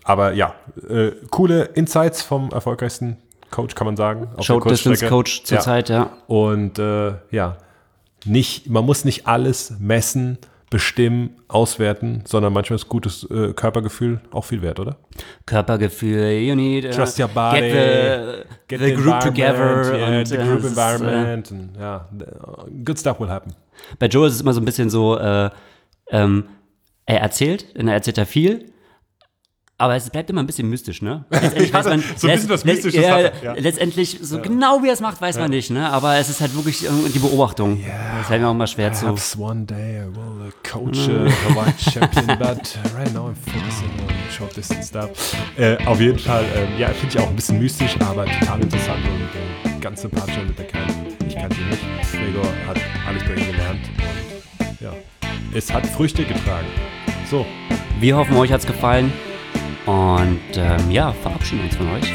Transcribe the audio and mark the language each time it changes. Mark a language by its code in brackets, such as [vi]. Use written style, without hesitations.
[de] Aber ja, coole Insights vom erfolgreichsten Coach, kann man sagen. Short-Distance-Coach zurzeit, ja. Und man muss nicht alles messen, bestimmen, auswerten, sondern manchmal ist gutes Körpergefühl auch viel wert, oder? [en] Körpergefühl, you need trust your body, get the group together, yeah, and the group environment, and yeah, good stuff will happen. [de] Bei Joel ist es immer so ein bisschen so, er erzählt ja viel, aber es bleibt immer ein bisschen mystisch, ne? Letztendlich, so genau wie er es macht, weiß man nicht, ne? Aber es ist halt wirklich die Beobachtung. [en] Yeah. [de] Das fällt mir auch mal schwer zu. [en] Perhaps one day I will coach a Hawaii champion, but right now I'm focusing on short distance stuff. [de] Auf jeden Fall, finde ich auch ein bisschen mystisch, aber total interessant. Und der ganze Partner mit der Kerl, ich kann sie nicht. Gregor hat alles bei ihm gelernt. Und ja, es hat Früchte getragen. So. Wir hoffen, euch hat es gefallen. Und verabschieden uns von euch.